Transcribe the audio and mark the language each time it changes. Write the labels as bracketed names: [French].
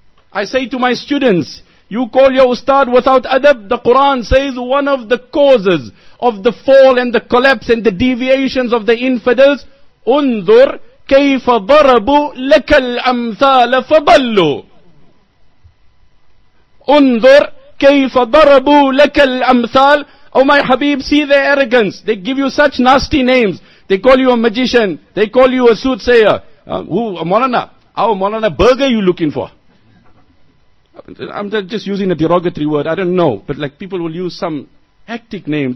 [English] I say to my students, you call your ustad without adab, the Quran says one of the causes of the fall and the collapse and the deviations of the infidels, [Arabic] انظر كيف ضربوا لك الأمثال فضلوا. انظر كيف ضربوا لك الأمثال. [English] Oh my Habib, see their arrogance. They give you such nasty names. They call you a magician. They call you a soothsayer. Maulana burger you looking for? I'm just using a derogatory word, I don't know. But like people will use some hectic name.